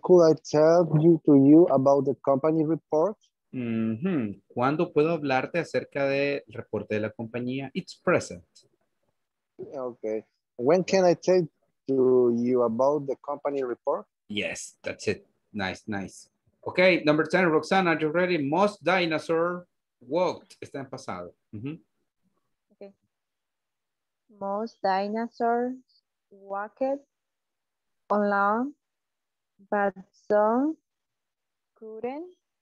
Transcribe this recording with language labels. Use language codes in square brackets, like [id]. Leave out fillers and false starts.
[en] could I tell you about the company report? Mm-hmm. [es] ¿Cuándo puedo hablarte acerca del reporte de la compañía? [en] It's present. Okay. When can I tell to you about the company report? Yes, that's it. Nice, nice. Okay, number 10, Roxana, are you ready? Most dinosaur walked. [es] Está en pasado. [en] Mm-hmm. Okay. Most dinosaurs walked along, but some couldn't.